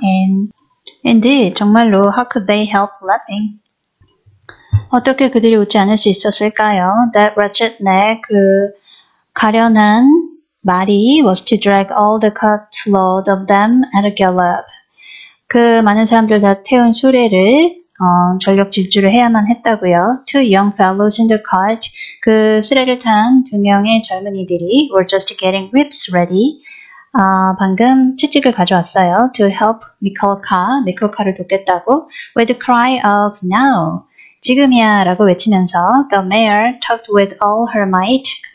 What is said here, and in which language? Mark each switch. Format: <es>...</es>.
<en>And indeed,</en> <ko>정말로,</ko> <en>how could they help laughing?</en> <ko>어떻게 그들이 웃지 않을 수 있었을까요?</ko> <en>That wretched neck,</en> <ko>그 가련한 말이</ko> <en>was to drag all the cartload of them at a gallop.</en> <ko>그 많은 사람들 다 태운 수레를 전력 질주를 해야만 했다고요.</ko> <en>Two young fellows in the cart,</en> <ko>그 수레를 탄두 명의 젊은이들이</ko> <en>were just getting whips ready.</en> <ko>방금 채찍을 가져왔어요.</ko> <en>To help Mikolka,</en> <ko>Mikolka를 돕겠다고.</ko> <en>With a cry of now,</en> <ko>지금이야라고 외치면서,</ko> <en>the mare tugged with all her might.</en>